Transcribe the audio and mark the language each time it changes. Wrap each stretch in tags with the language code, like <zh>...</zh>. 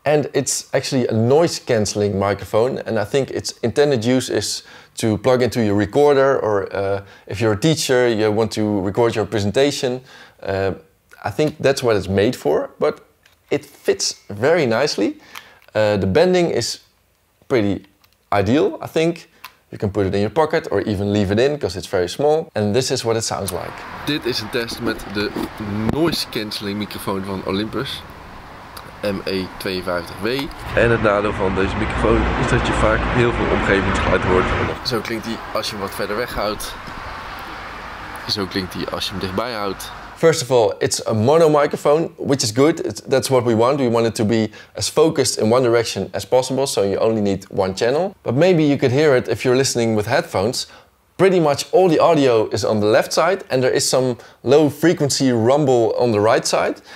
<en>And it's actually a noise cancelling microphone. And I think its intended use is to plug into your recorder or if you're a teacher, you want to record your presentation. I think that's what it's made for, but it fits very nicely. The bending is pretty ideal, I think. You can put it in your pocket or even leave it in because it's very small. And this is what it sounds like.</en> <nl>Dit is een test met de noise cancelling microfoon van Olympus, ME52W. En het nadeel van deze microfoon is dat je vaak heel veel omgevingsgeluid hoort. Zo klinkt hij als je hem wat verder weg houdt. Zo klinkt hij als je hem dichtbij houdt.</nl> <en>First of all, it's a mono microphone, which is good. That's what we want. We want it to be as focused in one direction as possible, so you only need one channel. But maybe you could hear it if you're listening with headphones. Pretty much all the audio is on the left side, and there is some low frequency rumble on the right side.</en>